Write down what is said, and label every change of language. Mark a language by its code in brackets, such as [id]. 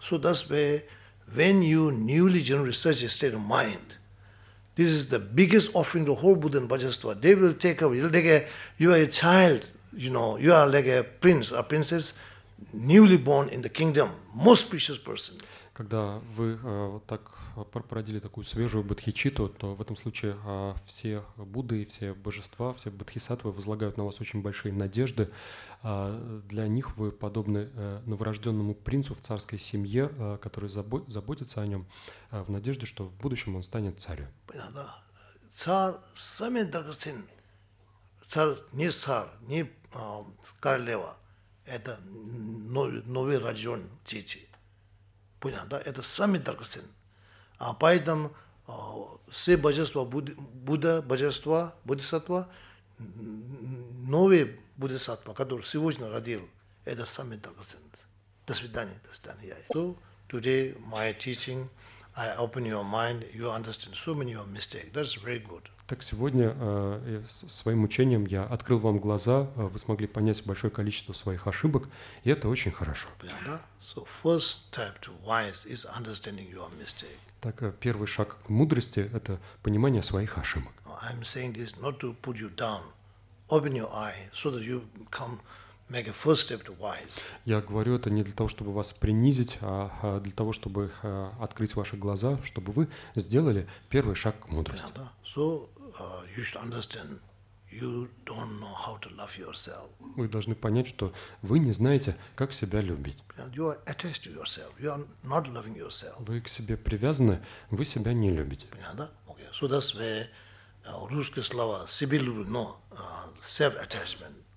[en] So that's where, when you newly generate such a state of mind, this is the biggest offering to whole Buddha and Bodhisattva. They will take away, like you are a child, you know, you are like a prince or princess, newly born in the kingdom, most precious person. [ru] Когда вы так породили такую свежую бодхичитту, то в этом случае все Будды, все божества, все бодхисаттвы возлагают на вас очень большие надежды. Для них вы подобны новорожденному принцу в царской семье, который заботится о нем в надежде, что в будущем он станет царем. Понятно, да. Царь самый драгоценный. Царь, не королева. Это новый рожден дети. Понятно, да? Это самый драгоценный. А поэтому все божества Будда, божества, бодхисаттва, новые бодхисаттва, которые сегодня родил, это самый драгоценный. До свидания, я. [en] So, today, my teaching, I open your mind, you understand so many of your mistakes. That's very good. [ru] Так сегодня своим учением я открыл вам глаза, вы смогли понять большое количество своих ошибок, и это очень хорошо. [en] So first step to wise is understanding your mistake. [ru] Так первый шаг к мудрости – это понимание своих ошибок. [en] I'm saying this not to put you down. Open your eye so that you come make a first step to wise. [ru] Я говорю это не для того, чтобы вас принизить, а для того, чтобы открыть ваши глаза, чтобы вы сделали первый шаг к мудрости. [en] So you should understand you don't know how to love yourself. [ru] Вы должны понять, что вы не знаете, как себя любить. [en] You are attached to yourself. You are not loving yourself. [ru] Вы к себе привязаны, вы себя не любите. Понятно? [en] Okay. So that's where [ru] русские слова [en] self-attachment.